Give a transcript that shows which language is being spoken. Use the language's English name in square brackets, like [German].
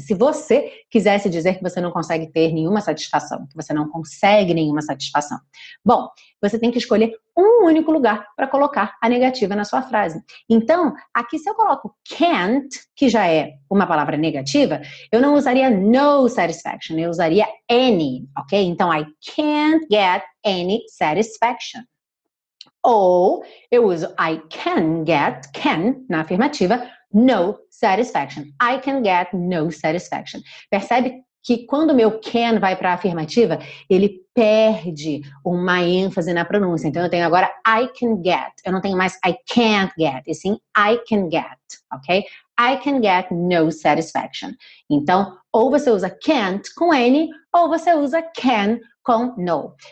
[Portuguese] Se você quisesse dizer que você não consegue ter nenhuma satisfação, que você não consegue nenhuma satisfação. Bom, você tem que escolher um único lugar para colocar a negativa na sua frase. Então, aqui se eu coloco can't, que já é uma palavra negativa, eu não usaria no satisfaction, eu usaria any, ok? [English] Então, I can't get any satisfaction. [Portuguese] Ou eu uso [English] I can get, [Portuguese] can, na afirmativa, no satisfaction. [English] I can get no satisfaction. [Portuguese] Percebe que quando o meu can vai para a afirmativa, ele perde uma ênfase na pronúncia. Então, eu tenho agora [English] I can get. [Portuguese] Eu não tenho mais [English] I can't get, [Portuguese] e sim I can get, ok? [English] I can get no satisfaction. [Portuguese] Então, ou você usa can't com any, ou você usa can com no.